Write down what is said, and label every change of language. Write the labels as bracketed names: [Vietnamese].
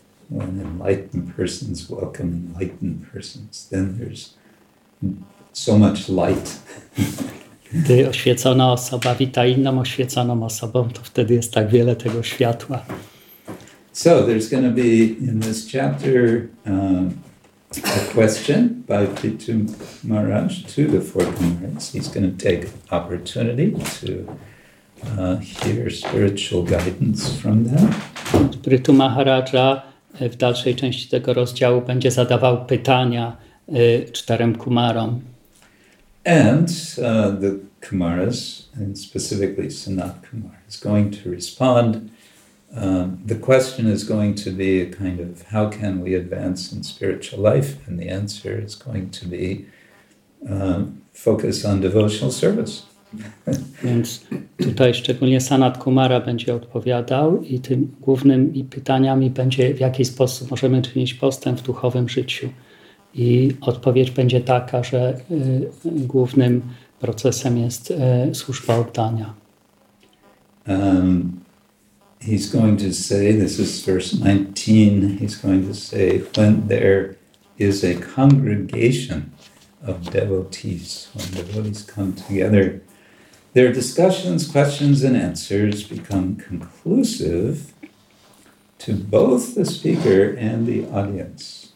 [English] When enlightened persons welcome enlightened persons, then there's so much light. [Polish] Gdy oświecona osoba wita inną oświeconą osobą, to wtedy jest tak wiele tego światła. [English] So there's going to be in this chapter a question by Prithu Maharaj to the four comrades. He's going to take opportunity to hear spiritual guidance from them. [Polish] Prithu Maharaja w dalszej części tego rozdziału będzie zadawał pytania czterem kumarom. [English] And the kumaras, and specifically Sanat Kumar, is going to respond. The question is going to be a kind of how can we advance in spiritual life? And the answer is going to be focus on devotional service. [Polish] Więc tutaj szczególnie Sanat Kumara będzie odpowiadał i tym głównymi pytaniami będzie, w jaki sposób możemy czynić postęp w duchowym życiu. I odpowiedź będzie taka, że głównym procesem jest służba oddania. [English] He's going to say, this is verse 19, he's going to say, when there is a congregation of devotees, when devotees come together, their discussions, questions, and answers become conclusive to both the speaker and the audience.